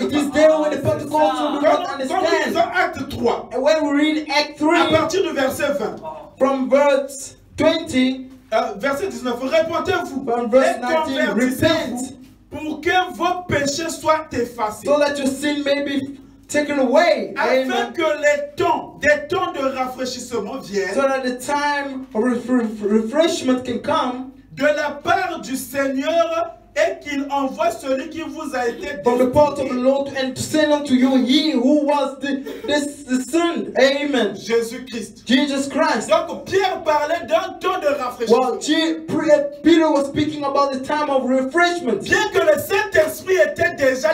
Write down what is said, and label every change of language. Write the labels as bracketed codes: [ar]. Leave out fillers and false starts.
[en] pas. It is there where the pentecôtistes do not understand. [fr] Quand on lit Acte 3, [en] when we read Act 3, [fr] à partir du verset 20, [en] from verse 20, [fr] verset 19, répentez-vous, [en] from verse 19, repent, [fr] pour que vos péchés soient effacés. [en] So that your sin may be taken away. [fr] Afin Amen. Que les temps, des temps de rafraîchissement viennent. [en] So that the time of refreshment can come. [fr] De la part du Seigneur et qu'il envoie celui qui vous a été [en] from the part of the Lord and to send unto you he who was the son. Amen. [fr] Jésus Christ. [en] Jesus Christ. [fr] Donc Pierre parlait d'un temps de rafraîchissement. [en] Peter was speaking about the time of refreshment. [fr] Bien que le Saint-Esprit était déjà